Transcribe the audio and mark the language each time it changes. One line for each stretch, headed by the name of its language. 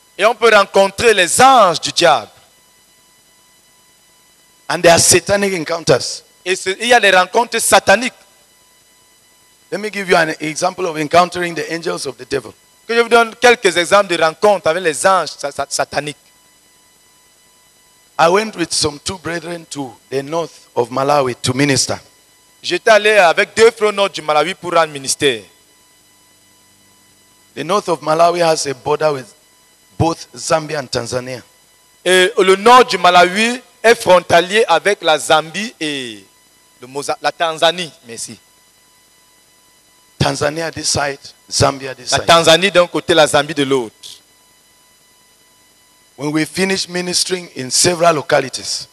French: Et on peut rencontrer les anges du diable.
English: And there are satanic encounters.
French: Il y a des rencontres sataniques.
English: Let me give you an example of encountering the angels of the devil.
French: Que je vous donne quelques exemples de rencontres avec les anges sataniques.
English: I went with some two brethren to the north of Malawi to minister.
French: J'étais allé avec deux frères au nord du Malawi pour rendre ministère.
English: The north of Malawi has a border with both Zambia and Tanzania.
French: Et le nord du Malawi est frontalier avec la Zambie et la Tanzanie. Merci.
English: Tanzania this side, Zambia this side.
French: La Tanzanie d'un côté, la Zambie de l'autre.
English: When we finished ministering in several localities,